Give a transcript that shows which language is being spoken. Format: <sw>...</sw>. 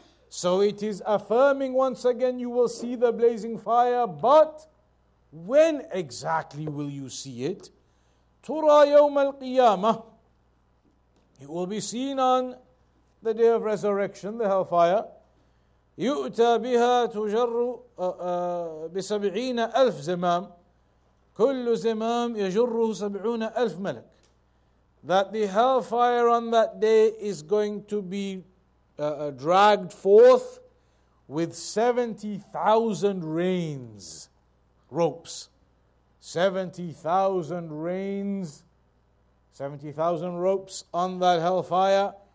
<en>So it is affirming once again you will see the blazing fire, but when exactly will you see it?</en> <ar>ترى يوم القيامة.</ar> <en>It will be seen on the day of resurrection, the hellfire.</en> <ar>يؤتى بها تجر بسبعين ألف زمام. كل زمام يجره سبعون ألف ملك.</ar> <en>That the hellfire on that day is going to be dragged forth with 70,000 reins, ropes. 70,000 reins, 70,000 ropes on that hellfire.</en>